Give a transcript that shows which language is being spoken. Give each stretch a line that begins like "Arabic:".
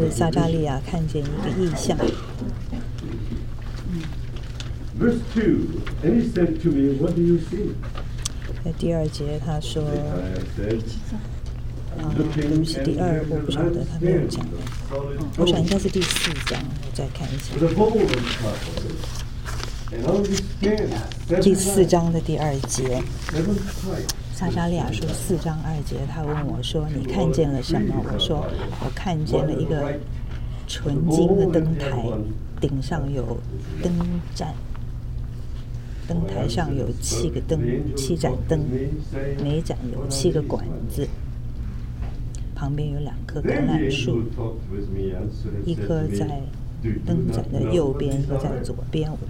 Chinese: 里撒加利亚看见一个异象。
English: Verse two, and he said to me, "What do you see?"
Chinese: 在第二节他说，对不起，第二我不晓得他没有讲。我想应该是第四章，我再看一下。第四章的第二节，撒加利亚说四章二节，他问我说你看见了什么，我说我看见了一个纯金的灯台，顶上有灯盏，灯台上有七个灯，七盏灯，每盏有七个管子，旁边有两棵橄榄树，一棵在灯盏的右边，一个在左边。